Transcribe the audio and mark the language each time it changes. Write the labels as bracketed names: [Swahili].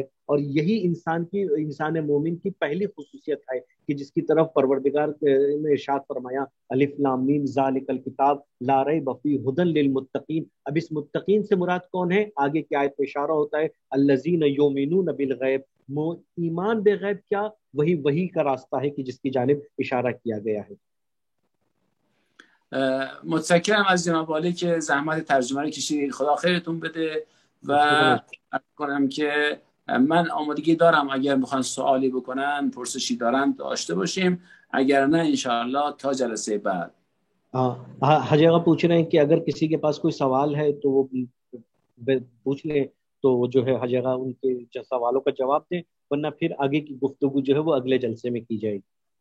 [Urdu] اور یہی انسان مومن کی پہلی خصوصیت ہے کہ جس کی طرف پروردگار نے ارشاد فرمایا، [Arabic] الف لام میم ذالک الکتاب لا ریب فیہ ہدن للمتقین. [Urdu] اب اس متقین سے مراد کون ہے؟ آگے کی آیت میں اشارہ ہوتا ہے، [Arabic] الذین یؤمنون بالغیب. [Urdu] ایمان بے غیب کیا؟ وہی کا راستہ ہے کہ جس کی جانب اشارہ کیا گیا ہے. [Persian] متشکرم از جناب عالی که زحمت ترجمه رو کشیدید. خدا خیرتون بده. و عرض کنم که من آمادگی دارم اگر بخوان سوالی بکنن، پرسشی دارن داشته باشیم، اگر نه انشاءالله تا جلسه بعد. [Urdu] حاجی آقا پوچھ رہے ہیں کہ اگر کسی کے پاس کوئی سوال ہے تو وہ پوچھ لیں، تو جو ہے حاجی آقا ان کے سوالوں کا جواب دیں، ورنہ پھر آگے کی گفتگو جو ہے وہ اگلے جلسے میں کی جائے گی.